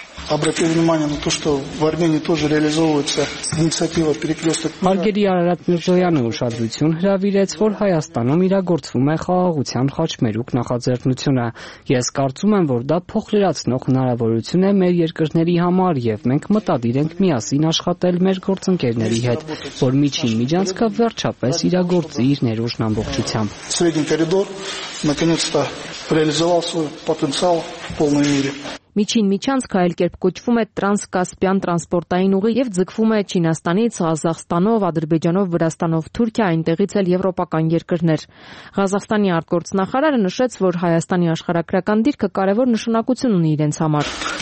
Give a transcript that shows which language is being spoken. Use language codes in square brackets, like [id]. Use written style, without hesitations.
[ru] Обратите внимание на то, что в Армении тоже реализовывается инициатива перекрёсток. [hy] Մարգերի Արարատ Միրզոյանը ուշադրություն հրավիրեց, որ Հայաստանում իրագործվում է խաղաղության խաչմերուկ նախաձեռնությունը։ Ես կարծում եմ, որ դա փոխլրացնող հնարավորություն է մեր երկրների համար, եւ մենք մտադիր ենք միասին աշխատել մեր գործընկերների հետ, որ միջին միջանցքը վերջապես իրագործի իր ներուժն ամբողջությամբ։ [ru] Средний коридор наконец-то реализовал свой потенциал в полной мере. [hy] Միջին միջանցքը այլ կերպ կոչվում է տրանսկասպյան տրանսպորտային ուղի և ձգվում է Չինաստանից, Ղազախստանով, Ադրբեջանով, Վրաստանով, Թուրքիա, այնտեղից էլ եվրոպական երկրներ։ Ղազախստանի արտգործնախարարը նշեց, որ Հայաստանի աշխարհագրական դիրքը կարևոր նշանակություն ունի իրենց համար։